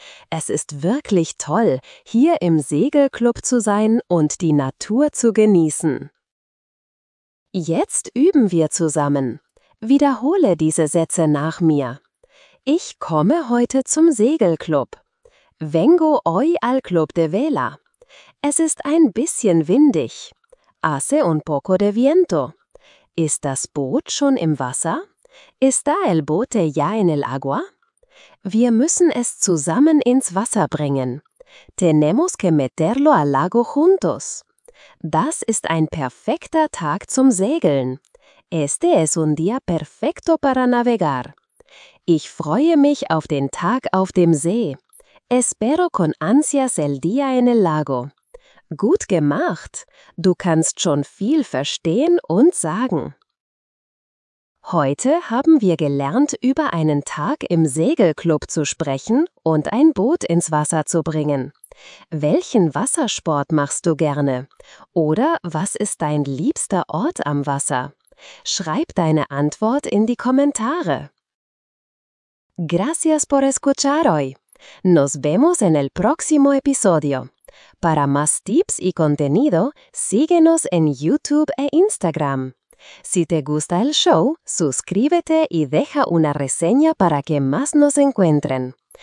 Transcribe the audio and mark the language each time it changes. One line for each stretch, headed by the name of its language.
German: Es ist wirklich toll, hier im Segelclub zu sein und die Natur zu genießen. Jetzt üben wir zusammen. Wiederhole diese Sätze nach mir. Ich komme heute zum Segelclub.
Spanish: Vengo hoy al club de vela.
German: Es ist ein bisschen windig.
Spanish: Hace un poco de viento.
German: Ist das Boot schon im Wasser?
Spanish: ¿Está el bote ya en el agua?
German: Wir müssen es zusammen ins Wasser bringen.
Spanish: Tenemos que meterlo al lago juntos.
German: Das ist ein perfekter Tag zum Segeln.
Spanish: Este es un día perfecto para navegar.
German: Ich freue mich auf den Tag auf dem See.
Spanish: Espero con ansias el día en el lago.
German: Gut gemacht. Du kannst schon viel verstehen und sagen. Heute haben wir gelernt, über einen Tag im Segelclub zu sprechen und ein Boot ins Wasser zu bringen. Welchen Wassersport machst du gerne? Oder was ist dein liebster Ort am Wasser? Schreib deine Antwort in die Kommentare.
Spanish: Gracias por escuchar hoy. Nos vemos en el próximo episodio. Para más tips y contenido, síguenos en YouTube e Instagram. Si te gusta el show, suscríbete y deja una reseña para que más nos encuentren.